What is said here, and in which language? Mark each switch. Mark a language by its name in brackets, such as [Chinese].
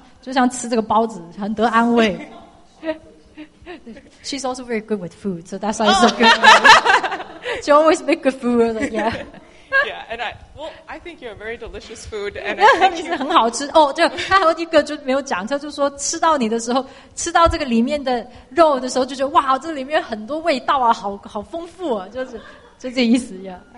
[Chinese] 听懂吗?他意思说他,就是说人家认识你的时候,就好像这道菜,他吃进去的时候就感觉好温暖。就是,哦,这个我心情不好的时候,跟这个人在一起就感觉好像很得安慰,很温暖。就像吃这个包子,很得安慰。 [English] She's also very good with food, so that's why it's so good. She always make good food, like, yeah. Yeah, and I think you're a very delicious food, and I think you're [Chinese] 很好吃哦，就他有一个就没有讲，他就说吃到你的时候，吃到这个里面的肉的时候，就觉得哇，这里面很多味道啊，好丰富啊，就是这意思，yeah.